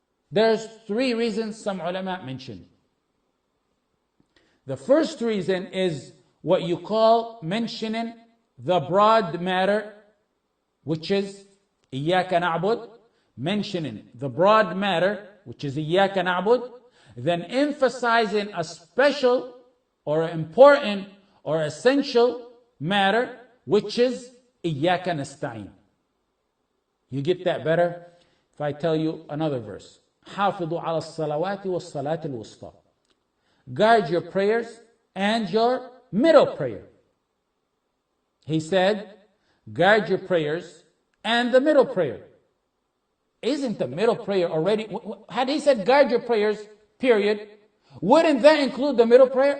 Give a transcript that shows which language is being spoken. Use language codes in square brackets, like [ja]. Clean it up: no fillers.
[en] There's three reasons some ulama mention. The first reason is what you call mentioning the broad matter, which is iyyaka na'bud, mentioning the broad matter, which is iyyaka na'bud, then emphasizing a special or important or essential matter, which is iyyaka nasta'in. You get that better if I tell you another verse. [ar] حافظوا على الصلوات والصلاة الوسطى. [en] Guard your prayers and your middle prayer. He said, guard your prayers and the middle prayer. Isn't the middle prayer already? Had he said guard your prayers, period, wouldn't that include the middle prayer?